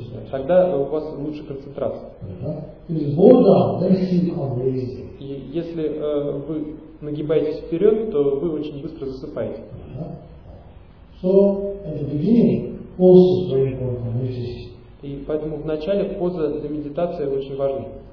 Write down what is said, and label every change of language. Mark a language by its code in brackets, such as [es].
[ru] Тогда у вас лучше концентрация. И если вы нагибаетесь вперед, то вы очень быстро засыпаете. [en] So, at the beginning, also very important, which is... [ru] И поэтому в начале поза для медитации очень важна.